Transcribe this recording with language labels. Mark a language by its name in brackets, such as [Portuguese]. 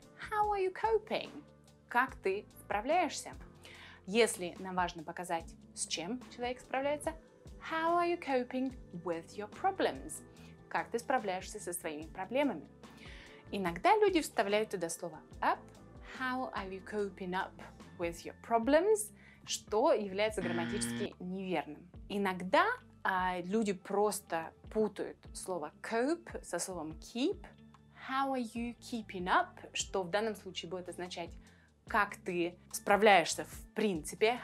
[English] How are you coping? [Russian] Как ты справляешься? Если нам важно показать, с чем человек справляется, [English] how are you coping with your problems? [Russian] Как ты справляешься со своими проблемами? Иногда люди вставляют туда слово up. [English] How are you coping up with your problems? [Russian] Что является грамматически неверным. Иногда люди просто путают слово cope со словом keep. [English] How are you keeping up? [Russian] Что в данном случае будет означать, как ты справляешься в принципе.